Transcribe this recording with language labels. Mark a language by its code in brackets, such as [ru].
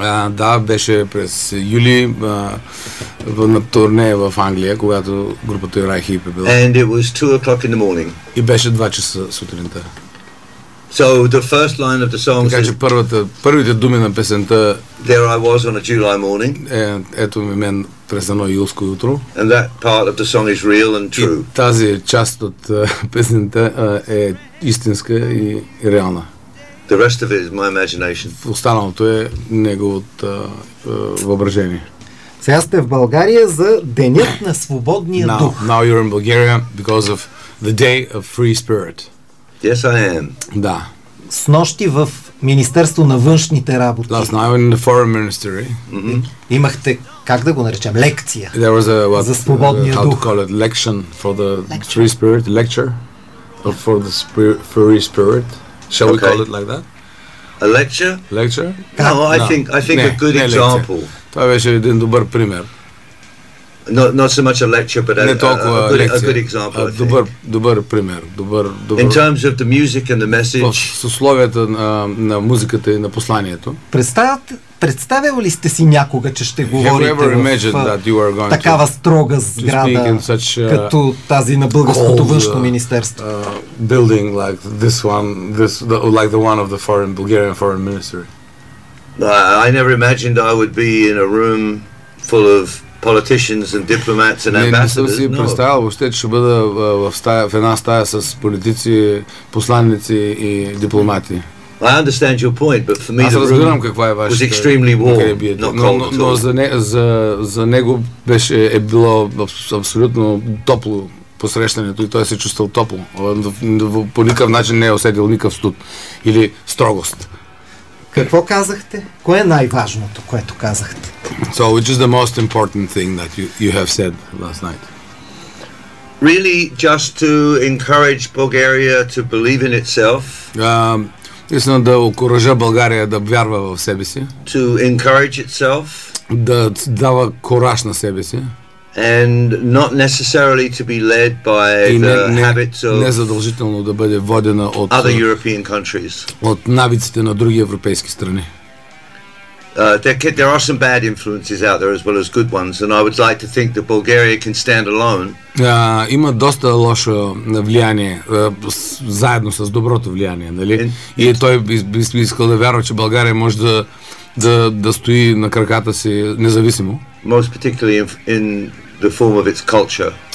[bg] Да, беше през юли на турне в Англия, когато групата Юрай Хип е била. [en] And it was 2:00 in the morning. [bg] И беше 2 часа сутринта. [en] So the first line of the song says, [bg] първите думи на песента, [en] there I was on a July morning. [bg] Ето ми мен през едно юлско утро. [en] And that part of the song is real and true. [bg] Тази част от песента е истинска и реална. [en] The rest of it is my imagination. [bg] Останалото е неговото въображение. Сега сте в България за денят на свободния дух. [en] Now you're in Bulgaria because of the day of free spirit. Yes, I am. [bg] Да. С нощи в Министерство на външните работи. [en] Last night in the Foreign Ministry. Mm-hmm. [bg] Имахте, как да го наречем, лекция. [en] There was [bg] за свободния дух. [en] How to call it? Lection for the lecture. Free spirit. Lecture for the free spirit. Shall okay. we call it like that? A lecture? Lecture? No, I think a good example. [bg] Това беше един добър пример. [en] Not so much a lecture, but a good example. [bg] Добър пример. [en] In terms of the music and the message. [bg] С условията на музиката и на посланието. Представявал ли сте си някога, че ще говорите в такава строга сграда, като тази на Българското външно министерство? [en] Building like this one, like the one of the foreign Bulgarian foreign ministry. I never imagined I would be in a room full of politicians and diplomats and ambassadors. [bg] Не съм си представил въобще, че ще бъда в една стая с политици, посланници и дипломати. [en] I understand your point, but for me the room was extremely warm, not cold at all. [bg] Но за него е било абсолютно топло посрещането и той се чувствал топло. По никакъв начин не е усетил никакъв студ или строгост. Какво казахте? Кое е най-важното, което казахте? [en] So, which is the most important thing that you have said last night? Really, just to encourage Bulgaria to believe in itself. [bg] Истина да окуража България да вярва в себе си. [en] To encourage itself. [bg] Да дава кораж на себе си. [en] And not necessarily to be led by the habits of [bg] не задължително да бъде водена от [en] other European countries. [bg] От навиците на други европейски страни. [en] There are some bad influences out there as well as good ones, and I would like to think that Bulgaria can stand alone. [bg] Има доста лошо влияние заедно с доброто влияние, нали? И той би искал да вярва, че България може да стои на краката си независимо. [en] Most particularly in the form of its culture.